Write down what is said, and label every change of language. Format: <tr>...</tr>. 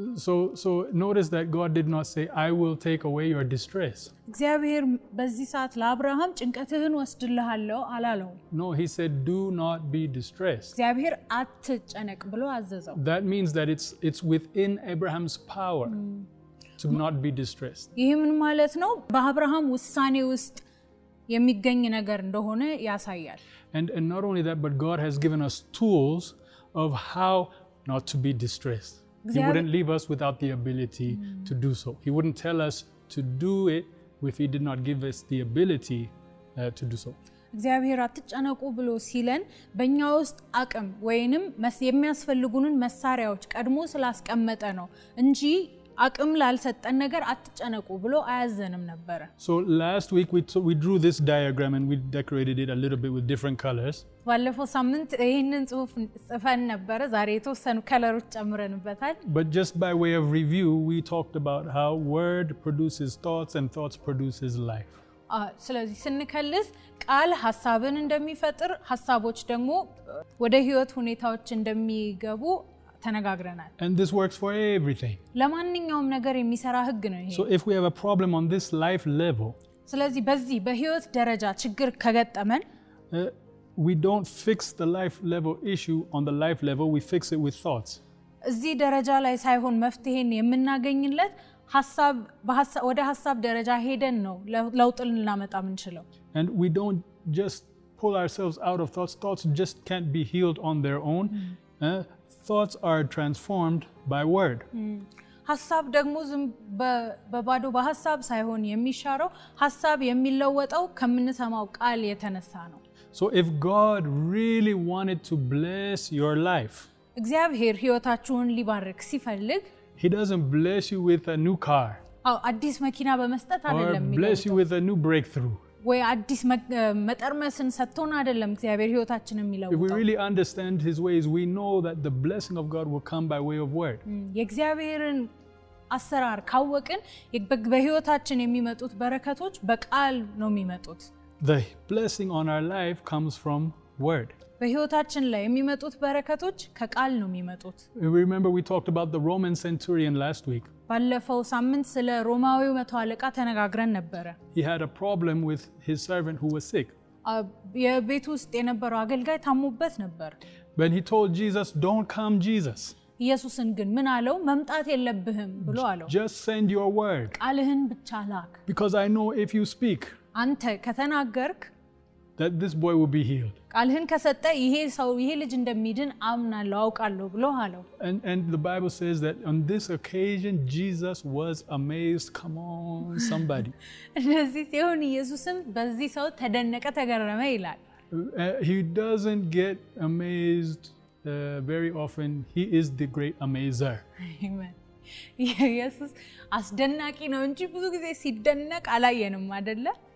<en>So notice that God did not say I will take away your distress.</en> <am>እግዚአብሔር በዚህ ሰዓት ለአብርሃም ጭንቀትህን ወስድልሃለሁ አላለው.</am> <en>No, he said do not be distressed.</en> <am>እግዚአብሔር አትጨነቅ ብሎ አዘዘው.</am> <en>That means that it's within Abraham's power to not be distressed.</en> <am>ይሄምን ማለት ነው? በአብርሃም ውሳኔ ውስጥ የሚገኝ ነገር እንደሆነ ያሳያል.</am> <en>And not only that but God has given us tools of how not to be distressed. He wouldn't leave us without the ability to do so. He wouldn't tell us to do it if he did not give us the ability to do so.</en> <am>እግዚአብሔር አትጨነቁ ብሎ ሲለን በእኛ ውስጥ አቅም ወይንም የሚያስፈልጉንን መሳሪያዎች ቀድሞ ስላስቀመጠ ነው እንጂ አቅም ላልሰጠን ነገር አትጨነቁ ብሎ አያዘንም ነበር.</am> <en>So last week we drew this diagram and we decorated it a little bit with different colors.</en> <am>ባለፈው ሳምንት ይሄንን ጽሑፍ ጽፈን ነበር ዛሬ የተወሰኑ ከለሮች ጨምረንበታል.</am> <en>But just by way of review we talked about how word produces thoughts and thoughts produces life.</en> <am>ስለዚህ ስንከልስ ቃል ሐሳብን እንደሚፈጥር ሐሳቦች ደግሞ ወደ ህይወት ሁኔታዎች እንደሚገቡ ተነጋግረናል</am> <en>and this works for everything</en> <am>ለማንኛውም ነገር የሚሰራ ህግ ነው ይሄ</am> <en>so if we have a problem on this life level</en> <am>ስለዚህ በዚህ በህይወት ደረጃ ችግር ከገጠመን</am> <en>we don't fix the life level issue on the life level we fix it with thoughts</en> <am>እዚህ ደረጃ ላይ ሳይሆን መፍትሄን የምናገኝለት ሐሳብ በሐሳብ ወደ ሐሳብ ደረጃ ሄደን ነው ለውጥልን እናመጣ ምን ይችላል</am> <en>and we don't just pull ourselves out of thoughts just can't be healed on their own thoughts are transformed by word.</en> <am>ሐሳብ ደግሞ ዝም በባዶ በሐሳብ ሳይሆን የሚሻረው ሐሳብ የሚለወጠው ከምንሰማው ቃል የተነሳ ነው.</am> <en>So if God really wanted to bless your life,</en> <am>እግዚአብሔር ህይወታችሁን ሊባርክ ሲፈልግ,</am> <en>he doesn't bless you with a new car.</en> <am>አዲስ መኪና በመስጠት አይደለም የሚለው.</am> <en>Or bless you with a new breakthrough.</en> <am>ወይ አዲስ መጠርመስን ሰጥቶን አይደለም እግዚአብሔር ህይወታችንን የሚለውጣው</am> <en>If we really understand his ways we know that the blessing of God will come by way of word</en> <am>የእግዚአብሔርን አሰራር ካወቅን በህይወታችን የሚመጡት በረከቶች በቃል ነው የሚመጡት</am> <en>The blessing on our life comes from word</en> <am>በህይወታችን ላይ የሚመጡት በረከቶች ከቃል ነው የሚመጡት</am> <en>Remember we talked about the Roman centurion last week</en> <am>ባለፈው ሳምንት ስለ ሮማዊው መቶ አለቃ ተነጋግረን ነበር</am> <en>He had a problem with his servant who was sick</en> <am>የቤቱ ውስጥ የነበረው አገልጋይ ታሞበት ነበር</am> <en>When he told Jesus don't come Jesus</en> <am>ኢየሱስን ግን ምን አለው መምጣት የለብህም ብሎ አለው</am> <en>Just send your word</en> <am>ቃልህን ብቻ ላክ</am> <en>Because I know if you speak</en> <am>አንተ ከተናገርክ</am> <en>that this boy will be healed.</en> <am>ቃልህን ከሰጠ ይሄ ሰው ይሄ ልጅ እንደሚድን አምናለሁ አውቃለሁ ብሎ አለው.</am> <en>And the Bible says that on this occasion Jesus was amazed. Come on somebody.</en> <am>እዚህ ሲሆን ኢየሱስም በዚህ ሰው ተደነቀ ተገረመ ይላል.</am> <en>He doesn't get amazed very often. He is the great amazer. Amen.</en> <am>ኢየሱስ አስደናቂ ነው እንጂ ብዙ ጊዜ ሲደነቅ አላየንም አይደለ?</am>